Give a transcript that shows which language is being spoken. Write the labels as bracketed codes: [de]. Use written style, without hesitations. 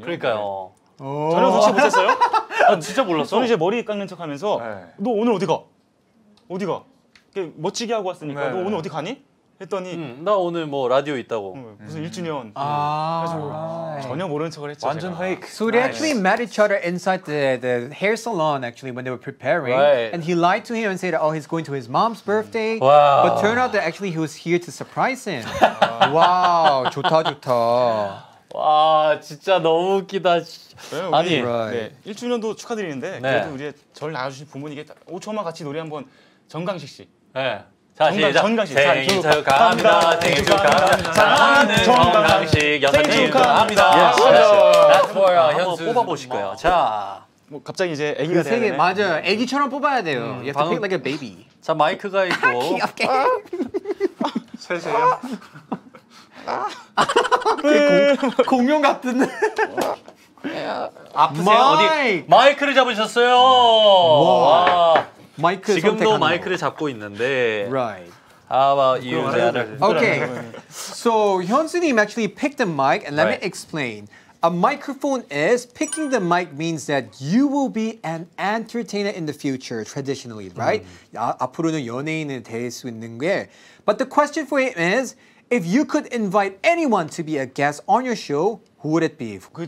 [ko] 그러니까요. 전혀 눈치 보셨어요? 아, 진짜 몰랐어. 저는 이제 머리 깎는 척 하면서 네. 너 오늘 어디 가? 어디 가? 멋지게 하고 왔으니까 네. 너 오늘 어디 가니? 했더니 나 오늘 뭐 라디오 있다고 무슨 1주년 전혀 모르는 척을 했죠 완전 제가. [en] fake So they actually met each other inside the hair salon actually when they were preparing right. And he lied to him and said oh he's going to his mom's birthday wow. But turned out that actually he was here to surprise him Wow [ko] 좋다 좋다 와 진짜 너무 웃기다 아니 right. 네, 1주년도 축하드리는데 네. 그래도 우리 절 나와주신 부모님께 5초만 같이 노래 한번 정강식 씨 네. 생일 축하합니다. 생일 축하합니다. 사랑하는 정강식 생일 축하합니다. 맞아요. 현수 뽑아보실 거예요. 자, 뭐 갑자기 이제 아기가 되네. 생일 맞아요. 아기처럼 뽑아야 돼요. [en] You have to pick like a baby. [ko] 자, 마이크가 있고. 귀엽게. 세세요. 공룡 같은데. 아프세요? 어디? 마이크를 잡으셨어요. 와. 마이크 지금도 선택하네요. 마이크를 잡고 있는데. [en] Right. How about you? Okay. So, 현수님 actually picked the mic and let right. me explain. A microphone is picking the mic means that you will be an entertainer in the future traditionally, right? Mm-hmm. [ko] 앞으로는 연예인이 될 수 있는 게. [en] But the question for him is if you could invite anyone to be a guest on your show, who would it be?